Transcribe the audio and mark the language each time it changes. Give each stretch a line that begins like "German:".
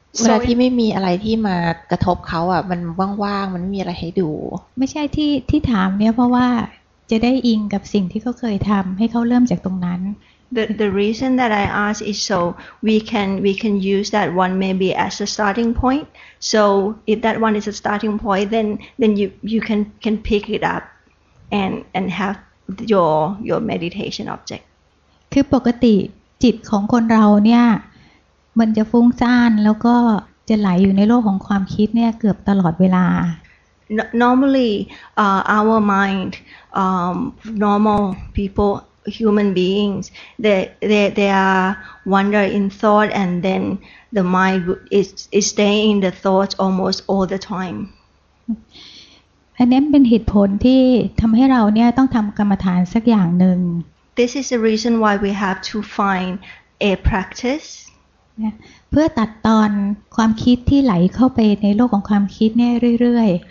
Thai: เวลาที่ไม่มีอะไรที่มากระทบเขาอ่ะมันว่างๆมันไม่มีอะไรให้ดู ไม่ใช่ที่ถามเนี่ยเพราะว่าจะได้อิงกับสิ่งที่เขาเคยทำให้เขาเริ่มจากตรงนั้น
English: The reason that I ask is so we can use that one maybe as a starting point so if that one is a starting point then you can pick it up and have your meditation object
Thai: คือปกติจิตของคนเราเนี่ยมันจะฟุ้งซ่านแล้วก็จะไหลอยู่ในโลกของความคิดเนี่ยเกือบตลอดเวลา
English: Normally our mind normal people human beings they are wander in thought and then the mind is staying in the thoughts almost all the time
Thai: อันนี้เป็นเหตุผลที่ทำให้เราเนี่ยต้องทำกรรมฐานสักอย่างหนึ่ง
English: This is the reason why we have to find a practice
Thai: เพื่อตัดตอนความคิดที่ไหลเข้าไปในโลกของความคิดเนี่ยเรื่อย